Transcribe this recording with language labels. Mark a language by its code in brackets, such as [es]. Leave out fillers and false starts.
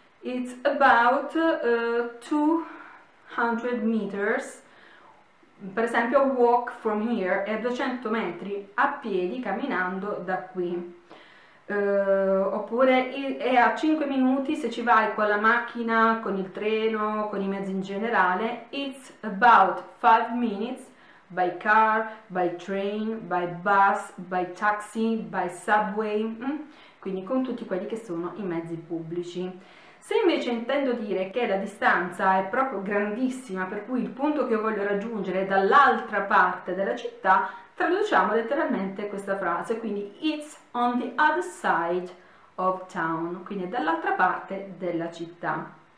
[en] It's about 200 meters. [it] Per esempio, [en] walk from here [it] è 200 metri a piedi camminando da qui. oppure è a 5 minuti se ci vai con la macchina, con il treno, con i mezzi in generale. [en] It's about 5 minutes by car, by train, by bus, by taxi, by subway. [it] Quindi con tutti quelli che sono i mezzi pubblici. Se invece intendo dire che la distanza è proprio grandissima, per cui il punto che voglio raggiungere è dall'altra parte della città, traduciamo letteralmente questa frase, quindi [en] it's on the other side of town, [it] quindi è dall'altra parte della città.